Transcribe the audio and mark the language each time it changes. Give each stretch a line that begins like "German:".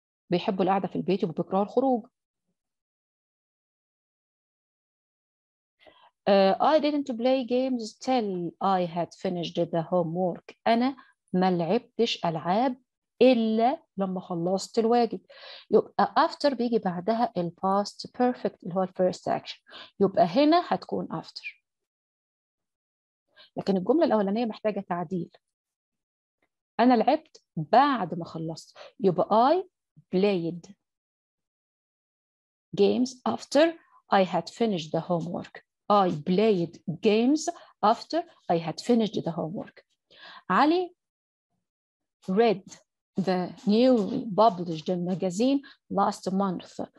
Arabic: بيحبوا القعدة في البيت وبيكرهوا الخروج.
English: I didn't play games till I had finished the homework.
Arabic: أنا ما لعبتش ألعاب إلا لما خلصت الواجب. يبقى after بيجي بعدها الـ past perfect اللي هو الـ first action. يبقى هنا هتكون after. لكن الجملة الأولانية محتاجة تعديل. أنا لعبت بعد ما خلصت. يبقى
English: I played games after I had finished the homework. I played games after I had finished the homework. Ali read the newly published magazine last month.